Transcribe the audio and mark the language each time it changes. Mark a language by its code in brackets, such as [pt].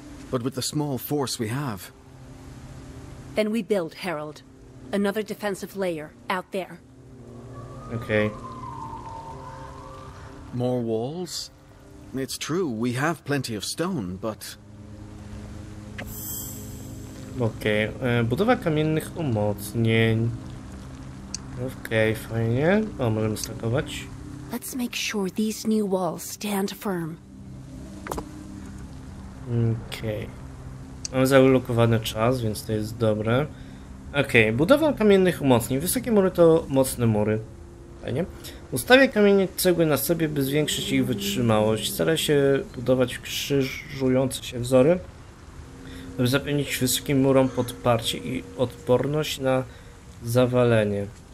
[en] But with the small force we have. Then we build, Harold. Another defensive layer out there. Okay. More walls? It's true, we have plenty of stone, but... [pl] Okay, budowa kamiennych umocnień. Okay, fajnie. O, możemy stakować. [en] Let's make sure these new walls stand firm. Okay. [pl] Mamy zablokowany czas, więc to jest dobre. Okej, okay. Budowa kamiennych umocnień. Wysokie mury to mocne mury. Fajnie. Ustawię kamienie cegły na sobie, by zwiększyć ich wytrzymałość. Staraj się budować krzyżujące się wzory, by zapewnić wysokim murom podparcie i odporność na zawalenie.